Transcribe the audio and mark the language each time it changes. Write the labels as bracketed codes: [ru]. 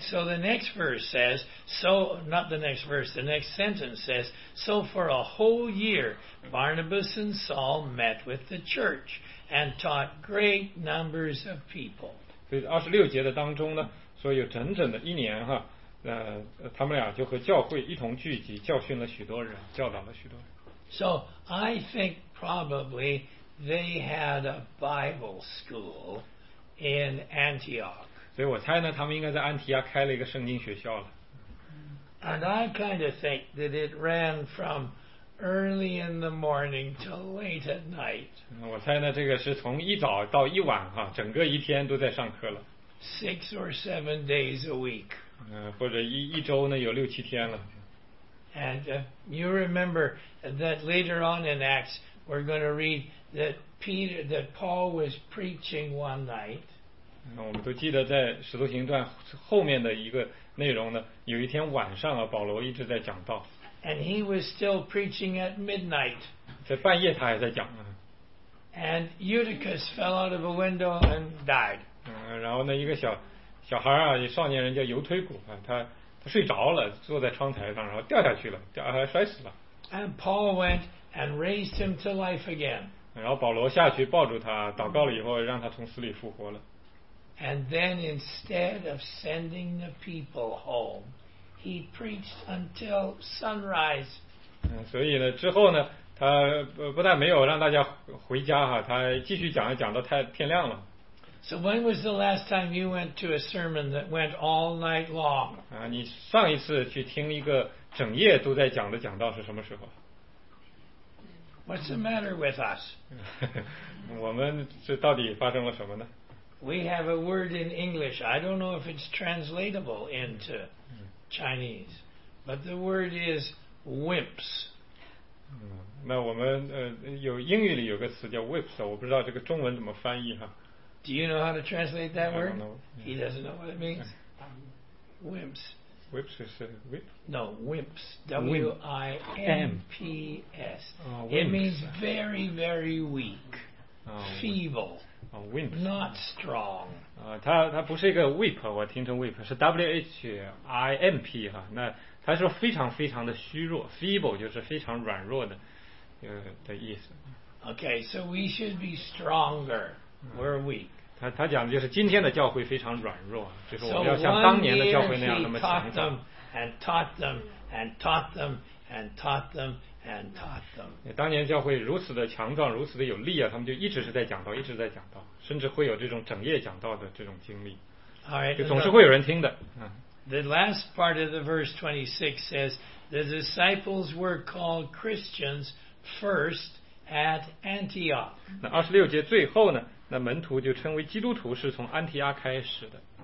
[en] So the next verse says, so not the next verse, the next sentence says, so for a whole year, Barnabas and Saul met with the church and taught great numbers of people. [zh] 所以二十六节的当中呢。所以有整整的一年哈，他们俩就和教会一同聚集，教训了许多人，教导了许多人。 [en] So I think probably they had a Bible school in Antioch. [zh] 所以我猜呢，他们应该在安提亚开了一个圣经学校了。 [en] And I kind of think that it ran from early in the morning till late at night. [zh] 我猜呢，这个是从一早到一晚哈，整个一天都在上课了。 [en] Six or seven days a week. [zh] 或者一周呢，有六七天了。 [en] And you remember that later on in Acts, we're going to read that Peter, that Paul was preaching one night. [zh] 我们都记得在《使徒行传》后面的一个。内容呢有一天晚上啊保罗一直在讲道 [en] and he was still preaching at midnight [zh] 在半夜他还在讲 [en] and Eutychus fell out of a window and died [zh] 然后呢一个小孩啊少年人叫尤推古、啊、他睡着了坐在窗台上然后掉下去了摔死了 [en] and Paul went and raised him to life again [zh] 然后保罗下去抱住他祷告了以后让他从死里复活了 [en] And then instead of sending the people home, he preached until sunrise. [zh] 所以呢，之后呢，他不但没有让大家回家哈，他继续讲，讲到天亮了。 [en] So when was the last time you went to a sermon that went all night long? [zh] 你上一次去听一个整夜都在讲的讲道是什么时候？ [en] What's the matter with us? [zh] 我们这到底发生了什么呢？ [en] We have a word in English. I don't know if it's translatable into Chinese. But the word is wimps. [zh] 那我们有英语里有个词叫 wimps, 我不知道这个中文怎么翻译哈。 [en] Do you know how to translate that word? I don't know. He doesn't know what it means. Wimps. Wimps is a whip? No, wimps. W-I-M-P-S. Wimps. It means very, very weak. Feeble. Wimp. Not strong. [zh] 它不是一个 whip, 我听成 whip, 是 W-H-I-M-P, 哈那它是非常非常的虚弱 feeble 就是非常软弱的的意思。 [en] Okay, so we should be stronger. We're weak. [zh] 它讲的就是今天的教会非常软弱就是我们要像当年的教会那样那么强壮。 [en] So one year he taught them and taught them and taught them and taught them And taught them. [zh] 当年教会如此的强壮，如此的有力啊！他们就一直是在讲道，一直在讲道，甚至会有这种整夜讲道的这种经历。 [en] All right, [zh] 就总是会有人听的。 [en] The last part of the verse 26 says the disciples were called Christians first at Antioch. [zh] 那二十六节最后呢？那门徒就称为基督徒是从安提阿开始的。